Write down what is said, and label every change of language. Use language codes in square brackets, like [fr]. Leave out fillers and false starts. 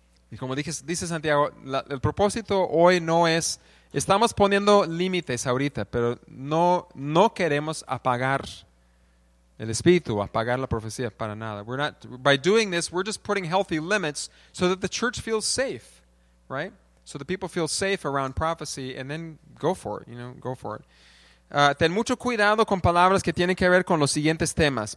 [es] Y como dice Santiago, el propósito hoy no es, estamos poniendo límites ahorita, pero no queremos apagar el espíritu, apagar la profecía para nada. [en] We're not, by doing this, we're just putting healthy limits so that the church feels safe. Right? So the people feel safe around prophecy and then go for it, you know, go for it. [es] Ten mucho cuidado con palabras que tienen que ver con los siguientes temas.